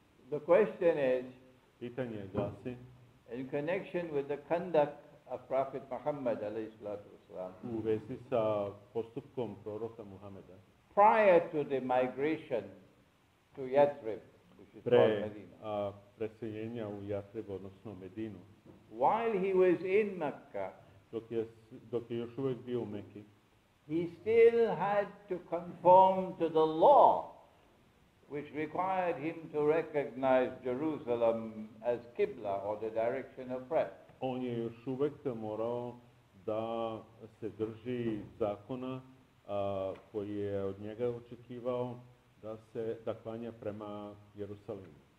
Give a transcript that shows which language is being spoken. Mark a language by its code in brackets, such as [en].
[en] The question is, in connection with the conduct of Prophet Muhammad alayhi salatu wasalam, prior to the migration to Yathrib, which is [sr] preseljenja u Yathrib, odnosno Medinu, [en] while he was in Mecca, [sr] dok je još uvijek bio u Mekki, [en] he still had to conform to the law which required him to recognize Jerusalem as Qibla, or the direction of prayer. [sr] On je još uvek morao da se drži zakona koji je od njega očekivao da se klanja prema Jerusalimu.